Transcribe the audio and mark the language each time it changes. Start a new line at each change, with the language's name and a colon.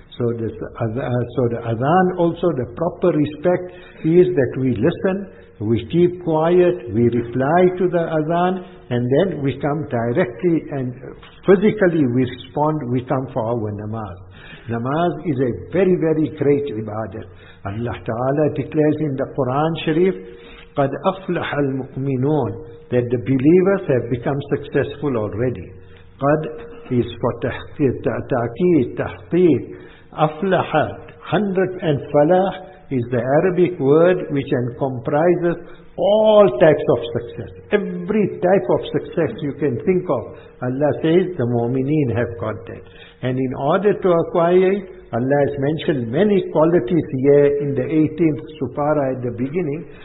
English: So the adhan also, the proper respect is that we listen, we keep quiet, we reply to the adhan, and then we come directly and physically we respond, we come for our namaz. Namaz is a very, very great ibadah. Allah Ta'ala declares in the Quran Sharif,
Arabic: قَدْ أَفْلَحَ الْمُؤْمِنُونَ,
English: that the believers have become successful already. قَدْ is for تَعْكِيد, تَحْقِيد. أَفْلَحَ, 100, and فَلَح is the Arabic word which comprises all types of success. Every type of success you can think of, Allah says the mu'mineen have got that. And in order to acquire it, Allah has mentioned many qualities here in the 18th supara at the beginning.